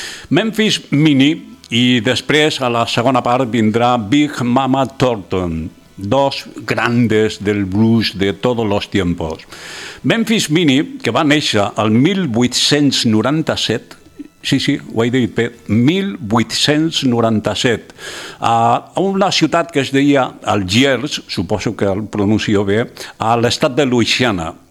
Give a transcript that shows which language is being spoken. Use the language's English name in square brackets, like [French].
[Catalan] Memphis Minnie, i després a la segona part vindrà Big Mama Thornton. [Spanish] Dos grandes del blues de todos los tiempos. [Catalan] Memphis Minnie, que va néixer al 1897, sí, sí, ho he dit bé, 1897, a una ciutat que es deia Algiers, suposo que el pronuncio bé, a l'estat de Louisiana.